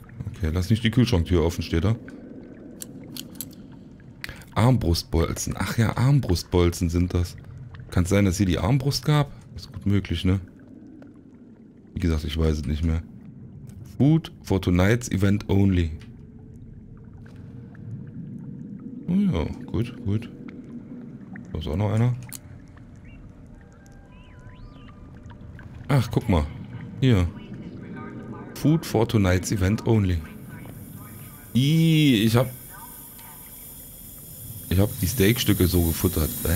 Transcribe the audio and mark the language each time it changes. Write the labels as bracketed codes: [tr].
[de] Okay, lass nicht die Kühlschranktür offen, steht da. Armbrustbolzen. Ach ja, Armbrustbolzen sind das. Kann es sein, dass hier die Armbrust gab? Ist gut möglich, ne? Wie gesagt, ich weiß es nicht mehr. [en] Food for tonight's event only. [de] Oh ja, gut, gut. Da ist auch noch einer. Ach, guck mal. Hier. [en] Food for tonight's event only. [de] Ich hab die Steakstücke so gefuttert.